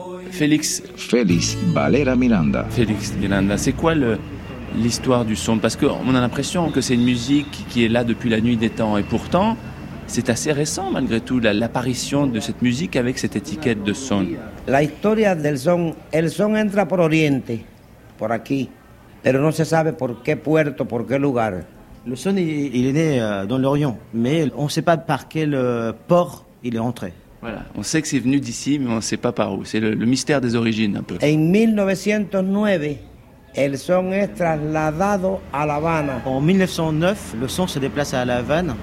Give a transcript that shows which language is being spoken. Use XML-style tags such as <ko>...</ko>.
<fr>Félix. Félix Valera Miranda. Félix Miranda, c'est quoi l'histoire du son? Parce qu'on a l'impression que c'est une musique qui est là depuis la nuit des temps. Et pourtant, c'est assez récent malgré tout, l'apparition de cette musique avec cette étiquette de son.</fr> <es>La historia del son, el son entra por Oriente, por aquí. Pero no se sabe por qué puerto, por qué lugar.</es> <fr>Le son, il est né dans l'Orient, mais on ne sait pas par quel port il est entré. Voilà, on sait que c'est venu d'ici, mais on ne sait pas par où. C'est le mystère des origines, un peu.</fr> <es>En 1909, el son est trasladado a La Habana.</es> <fr>En 1909, le son se déplace à La Havane.</fr>